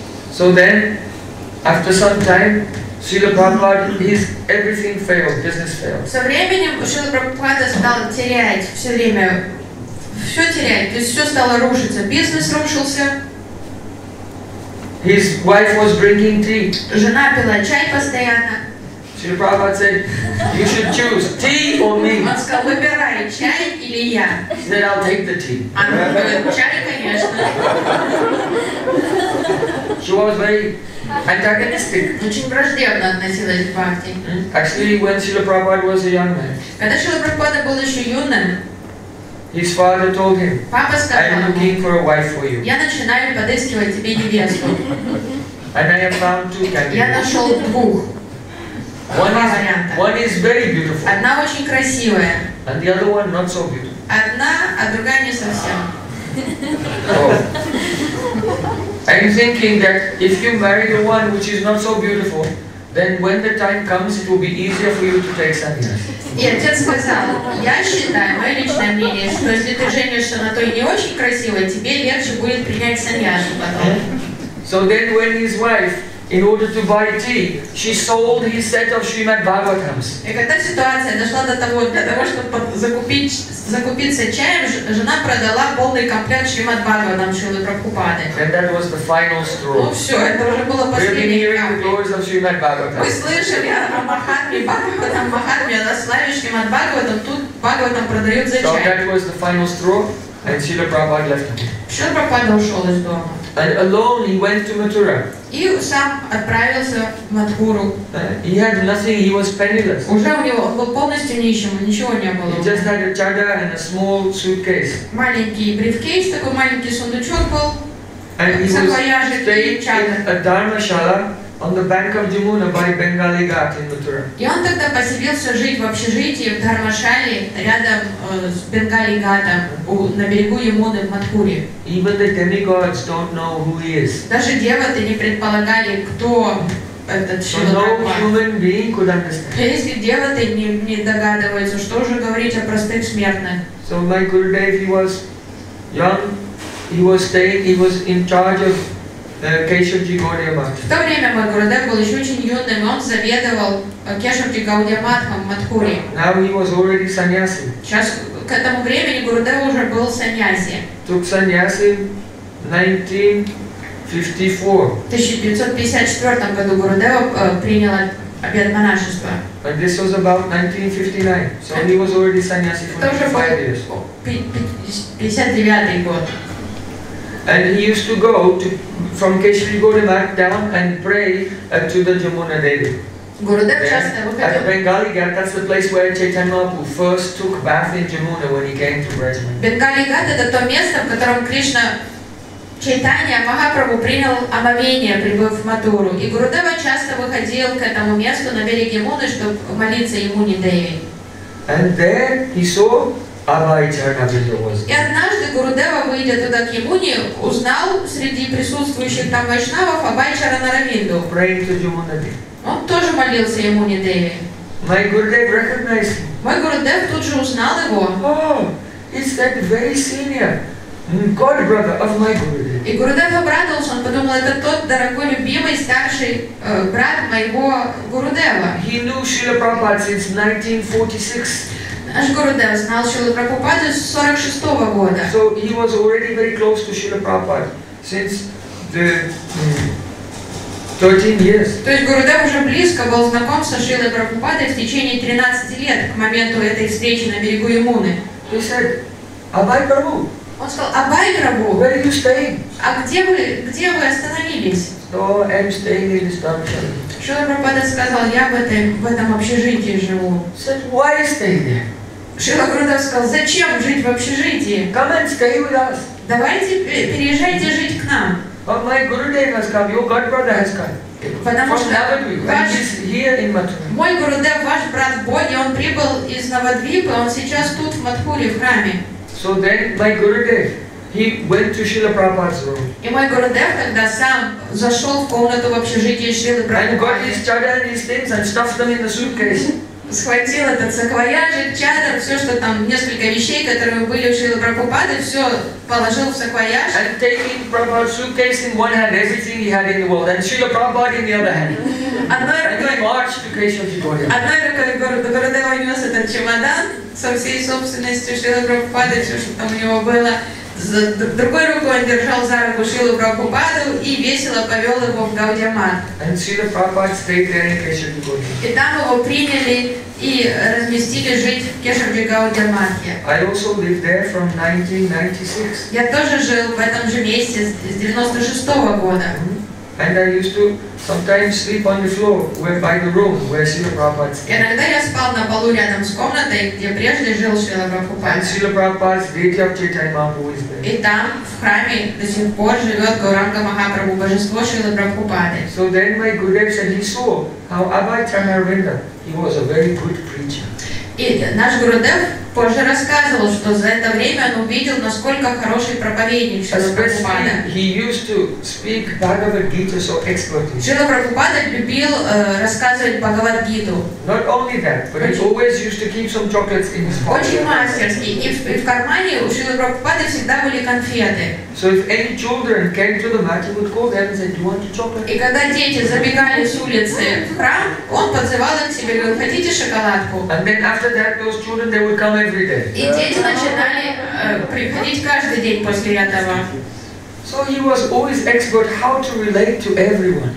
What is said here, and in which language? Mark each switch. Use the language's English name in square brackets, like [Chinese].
[English] So then, after some time, Srila Prabhupada, his everything failed, business failed. [Russian] Со временем Шрила Прабхупада стал терять все время, все терять, то есть все стало рушиться, бизнес рушился. [English] His wife was drinking tea. [Russian] Жена пила чай постоянно. [English] Srila Prabhupada said, you should choose tea or me. [Russian] Он сказал, выбирай, чай или я. [English] He said, I'll take the tea. [Russian] Чай, конечно. [English] She was very antagonistic. [Russian] Очень враждебно относилась к Бхакти. [English] Actually, when Srila Prabhupada was a young man, [Russian] когда Шрила Прабхупада был еще юным, [English] his father told him, [Russian] папа сказал, [English] I am looking for a wife for you. [Russian] Я начинаю подыскивать тебе невесту. [English] And I have found two candidates. [Russian] Я нашел двух. [English] One is very beautiful. [Russian] Одна очень красивая. [English] And the other one not so beautiful. [Russian] Одна, а другая не совсем. [English] Oh. I'm thinking that if you marry the one which is not so beautiful, then when the time comes, it will be easier for you to take sannyas. [Russian] И отец сказал, я считаю, мое личное мнение, что если ты женишься на той не очень красивой, тебе легче будет принять саньясу потом. [English] So then when his wife, in order to buy tea, she sold his set of Srimad Bhagavatams. [Russian] И когда ситуация дошла до того, для того, чтобы закупиться чаем, жена продала полный комплект Шримад Бхагаватам Шрилы Прабхупады. [English] And that was the final straw. [Russian] Ну все, это уже было последнее. [English] We're hearing the glories of Srimad Bhagavatam. [Russian] Мы слышали о Махатме Бхагаватам, Махатме, о славе Шримад Бхагаватам, тут Бхагаватам продают за чай. [English] So that was the final straw, and Srila Prabhupada left him. [Russian] Шрила Прабхупада ушел из дома. [English] And alone he went to Mathura. [Russian] И сам отправился в Матхуру. [English] He had nothing, he was penniless. [Russian] Уже у него был полностью нищим, ничего не было. [English] He just had a chadar and a small suitcase. [Russian] Маленький брифкейс, такой маленький сундучок был. [English] And he was staying in a dharmashala on the bank of Jamuna by Bengali Ghat in Mathura. [Russian] И он тогда поселился жить в общежитии в Дармашале рядом с Бенгали Гатом на берегу Ямуны в Матхуре. [English] Even the demigods don't know who he is. [Russian] Даже деваты не предполагали, кто этот человек. [English] So no human being could understand. [Russian] Если деваты не догадываются, что уже говорить о простых смертных. [English] So my Gurudev, he was young, he was staying, he was in charge of Кешавджи Гаудия Матха. [Russian] В то время мой Гурудев был еще очень юным, он заведовал Кешавджи Гаудия Матхом в Матхуре. [English] Now he was already sannyasi. [Russian] Сейчас к этому времени Гурудев уже был саньяси. [English] Took sannyasi in 1954. [Russian] В 1954 году Гурудева приняла обет монашества. [English] But this was about 1959. So he was already sannyasi for 5 years. [Russian] 59 год. [English] And he used to go to, from Keshri Gaudiamath down and pray to the Jamuna Devi. At Bengali Ghat, that's the place where Chaitanya Mahaprabhu first took bath in Jamuna when he came to Braj. [Russian] Bengali Ghat – это то место, в котором Кришна Чайтанья Махапрабху принял омовение, прибыв в Матуру. И Гурудева часто выходил к этому месту на берег Ямуны, чтобы молиться Ямуне Деви. [English] And there he saw Abhayacharanabinda was. [Russian] И однажды Гурудева, выйдя туда к Ямуне, узнал среди присутствующих там вайшнавов Абхайчаранарабинду. [English] Praying to Jamuna Devi. [Russian] Он тоже молился Ямуне Деви. [English] My Gurudev recognized him. [Russian] Мой Гурудев тут же узнал его. [English] Oh, it's that very senior god brother of my Gurudev. [Russian] И Гурудев обрадовался, он подумал, это тот дорогой, любимый, старший брат моего Гурудева. [English] He knew Srila Prabhupada since 1946. [Russian] Наш Гурудев знал Шрилу Прабхупаду с 46-го года. [English] So he was already very close to Srila Prabhupada since the 13 years. [Russian] То есть Гурудев уже близко был знаком со Шрилой Прабхупадой в течение 13 лет к моменту этой встречи на берегу Ямуны. [English] He said, Abhay Prabhu. [Russian] Он сказал, Абай Прабху. [English] Where are you staying? [Russian] А где вы остановились? [English] So I'm staying in this dharmashala. [Russian] Шрила Прабхупада сказал, я в этом общежитии живу. [English] Said, why you staying there? [Russian] Шрила Гурудев сказал, зачем жить в общежитии? [English] Come and stay with us. [Russian] Давайте переезжайте жить к нам. [English] But my Gurudev has come, your god brother has come. [Russian] Потому что ваш, [English] here in Mathura. [Russian] Мой Гурудев, ваш брат в Боге, он прибыл из Навадвипа, он сейчас тут в Матхуре, в храме. [English] So then my Gurudev, he went to Srila Prabhupada's room. [Russian] И мой Гурудев тогда сам зашел в комнату в общежитии Шрилы Прабхупады. [English] And got his chadar and his things and stuffed them in the suitcase. [Russian] Схватил этот саквояж, чадар, все, что там, несколько вещей, которые были у Шрилы Прабхупады, все положил в саквояж. [English] And taking Prabhupada's suitcase in one hand, everything he had in the world, and Srila Prabhupada in the other hand. [Russian] Одной рукой Гурудев нес этот чемодан со всей собственностью Шрилы Прабхупады, все, что там у него было. Другой рукой он держал за руку Шрилу Прабхупаду и весело повел его в Гаудиаматх. И там его приняли и разместили жить в Кешавджи Гаудиаматхе. Я тоже жил в этом же месте с 96-го года. [English] And I used to sometimes sleep on the floor where by the room where Srila Prabhupada stayed. [Russian] Иногда я спал на полу рядом с комнатой, где прежде жил Шрила Прабхупада. [English] And Srila Prabhupada's deity of Chaitanya Mahaprabhu is there. [Russian] И там в храме до сих пор живет Гауранга Махапрабху, божество Шрила Прабхупады. [English] So then my Gurudev said he saw how Abhay Charanaravinda, he was a very good preacher. [Russian] И наш Гурудев позже рассказывал, что за это время он увидел, насколько хороший проповедник Шрила Прабхупада. [English] He used to speak Bhagavad Gita so expertly. [Russian] Шрила Прабхупада любил рассказывать Бхагавад-гиту. [English] Not only that, but he always used to keep some chocolates in his pocket. [Russian] Очень мастерски. И в кармане у Шрилы Прабхупады всегда были конфеты. [English] So if any children came to the mat, he would call them and say, "Do you want chocolate?" [Russian] И когда дети забегали с улицы в храм, он подзывал их к себе и говорил: "Хотите шоколадку?" [English] And then after that, those children they would come every day. [Russian] И дети начинали приходить каждый день после этого. [English] So he was always expert how to relate to everyone.